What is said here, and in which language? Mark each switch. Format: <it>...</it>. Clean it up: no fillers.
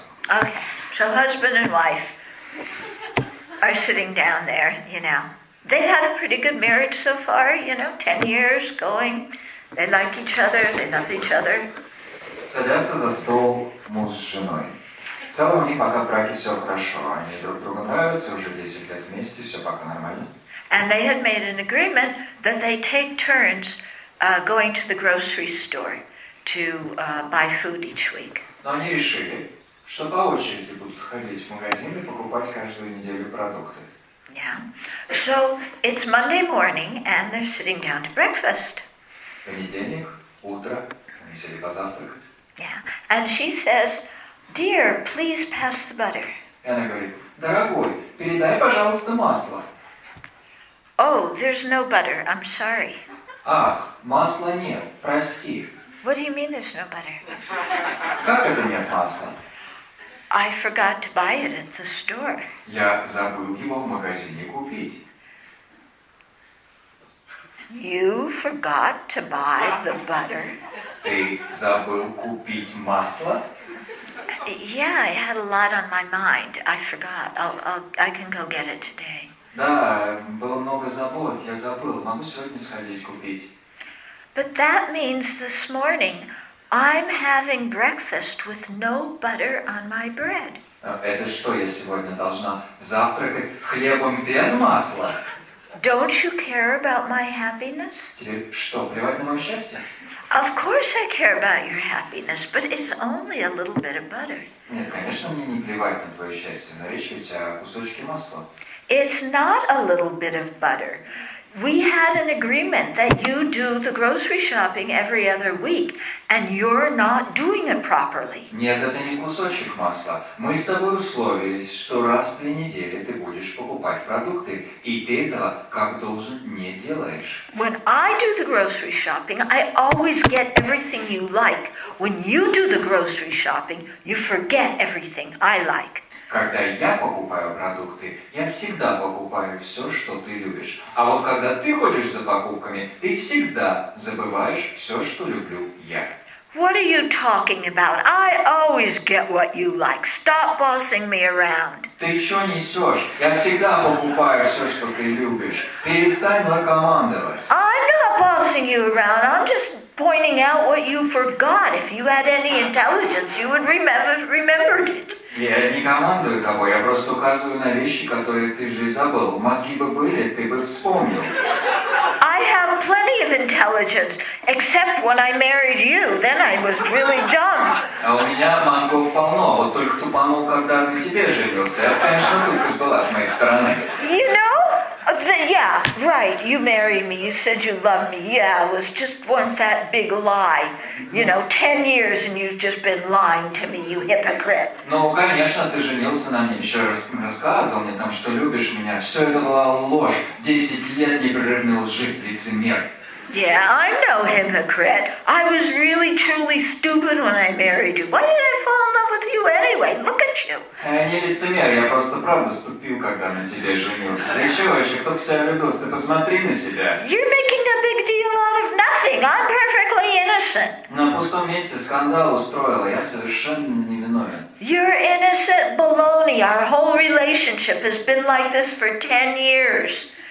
<en>Okay, so husband and wife are sitting down there, you know. They've had a pretty good marriage so far, you know, 10 years going. They like each other, they love each other.</en> <ru>Садятся за стол муж с женой. В целом у них пока в браке все хорошо. Они друг другу нравятся, уже 10 лет вместе, все пока нормально.</ru> <en>And they had made an agreement that they take turns going to the grocery store to buy food each week.</en> <ru>Но они решили, что по очереди будут ходить в магазин и покупать каждую неделю продукты.</ru> <en>Yeah. So it's Monday morning and they're sitting down to breakfast.</en> <ru>Понедельник, утро, они сели позавтракать.</ru> <en>Yeah. And she says, dear, please pass the butter.</en> <ru>И она говорит, дорогой, передай, пожалуйста, масло.</ru> <en>Oh, there's no butter, I'm sorry.</en> <ru>Ах, масла нет, прости.</ru> <en>What do you mean there's no butter?</en> <ru>Как это нет масла?</ru> <en>I forgot to buy it at the store.</en> <ru>Я забыл его в магазине купить.</ru> <en>You forgot to buy the butter.</en> <ru>Ты забыл купить масло?</ru> <en>Yeah, I had a lot on my mind. I forgot. I can go get it today.</en> <ru>Да, было много забот. Я забыл. Могу сегодня сходить купить.</ru> <en>But that means this morning I'm having breakfast with no butter on my bread.</en> <ru>Это что, я сегодня должна завтракать хлебом без масла?</ru> <en>Don't you care about my happiness?</en> <ru>Тебе что, плевать на моё счастье?</ru> <en>Of course I care about your happiness, but it's only a little bit of butter.</en> <ru>Нет, конечно, мне не плевать на твоё счастье, но речь ведь о кусочке масла.</ru> <en>It's not a little bit of butter. We had an agreement that you do the grocery shopping every other week, and you're not doing it properly.</en> <ru>Нет, это не кусочек масла. Мы с тобой условились, что раз в 2 недели ты будешь покупать продукты, и ты этого как должен не делаешь.</ru> <en>When I do the grocery shopping, I always get everything you like. When you do the grocery shopping, you forget everything I like.</en> <ru>Когда я покупаю продукты, я всегда покупаю все, что ты любишь. А вот когда ты ходишь за покупками, ты всегда забываешь все, что люблю я.</ru> <en>What are you talking about? I always get what you like. Stop bossing me around.</en> <ru>Ты что несешь? Я всегда покупаю все, что ты любишь. Перестань накомандовать.</ru> <en>I'm not bossing you around. I'm just pointing out what you forgot. If you had any intelligence, you would remember it.</en> <ru>Я не командую тобой, я просто указываю на вещи, которые ты же забыл. Мозги бы были, ты бы вспомнил.</ru> <en>I have plenty of intelligence, except when I married you. Then I was really dumb.</en> <ru>А у меня мозгов полно, вот только тупанул, когда на тебе женился. Я, конечно, тупость была с моей стороны.</ru> <en>You know? Yeah, right, you married me, you said you loved me. Yeah, it was just one fat big lie. You know, 10 years and you've just been lying to me, you hypocrite.</en> <ru>Ну, конечно, ты женился на мне, еще раз рассказывал мне там, что любишь меня. Все это была ложь. 10 лет непрерывной лжи, лицемер.</ru> <en>Yeah, I'm no hypocrite. I was really, truly stupid when I married you. Why did I fall in love with you anyway? Look at you.</en> <ru>Не лицемер, я просто правда ступил, когда на тебе женился. Да еще вообще, кто бы тебя любил, ты посмотри на себя.</ru> <en>You're making a big deal out of nothing. I'm perfectly innocent.</en> <ru>На пустом месте скандал устроила, я совершенно невиновен.</ru> <en>You're innocent baloney. Our whole relationship has been like this for 10 years.</en>